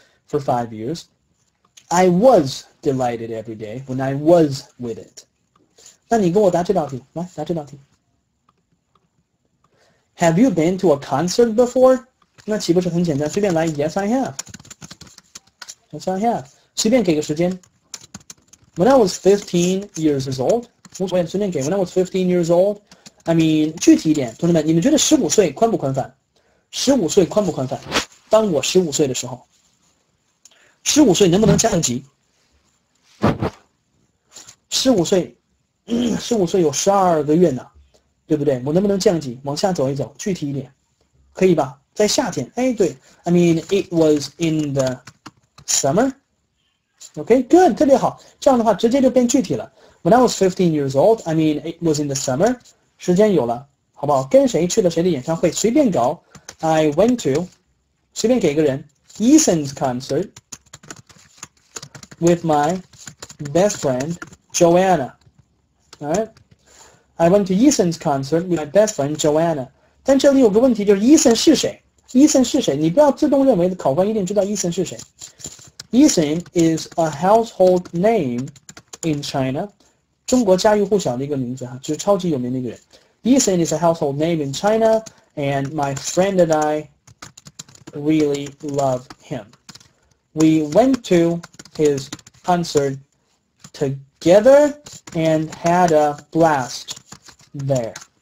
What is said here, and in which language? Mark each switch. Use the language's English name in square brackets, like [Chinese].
[English] For 5 years, I was delighted every day when I was with it. [Chinese] 那你跟我答这道题，来答这道题。 [English] Have you been to a concert before? [Chinese] 那岂不是很简单？随便来。 [English] Yes, I have. Yes, I have. [Chinese] 随便给个时间。 [English] When I was 15 years old, [Chinese] 我也随便给。 [English] When I was 15 years old, I mean, [Chinese] 具体一点，同学们，你们觉得15岁宽不宽泛？ 15岁宽不宽泛？当我15岁的时候。十五岁能不能降级？十五岁有12个月呢，对不对？我能不能降级？往下走一走，具体一点，可以吧？在夏天，哎，对 [English] ，I mean it was in the summer. Okay, good, [Chinese] 特别好。这样的话，直接就变具体了。 [English] When I was 15 years old, I mean it was in the summer. [Chinese] 时间有了，好不好？跟谁去了谁的演唱会？随便搞。 [English] I went to， [Chinese] 随便给个人 [English] Ethan's concert. With my best friend Joanna, all right. I went to Ethan's concert with my best friend Joanna. [Chinese] 但这里有个问题，就是 Ethan 是谁？Ethan 是谁？你不要自动认为考官一定知道 Ethan 是谁。 [English] Ethan is a household name in China. [Chinese] 中国家喻户晓的一个名字哈，就是超级有名的一个人。 [English] Ethan is a household name in China, and my friend and I really love him. We went to. His concert together and had a blast there.